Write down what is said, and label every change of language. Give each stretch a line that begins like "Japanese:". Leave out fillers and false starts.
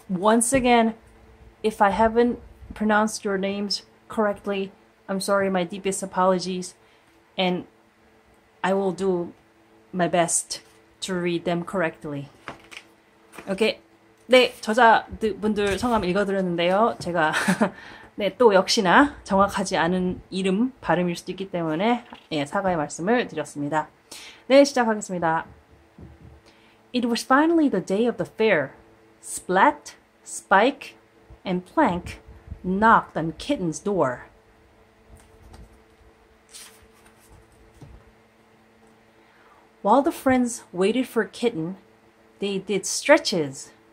English: Once again, if I haven't pronounced your names correctly, I'm sorry, my deepest apologies, and I will do my best to read them correctly. Okay.
Korean: 네, 저자분들 성함 읽어드렸는데요. 제가, 네, 또 역시나 정확하지 않은 이름, 발음일 수도 있기 때문에, 예, 사과의 말씀을 드렸습니다. 네, 시작하겠습니다.
English: It was finally the day of the fair. Splat, Spike, and Plank knocked on Kitten's door. While the friends waited for Kitten, they did stretches.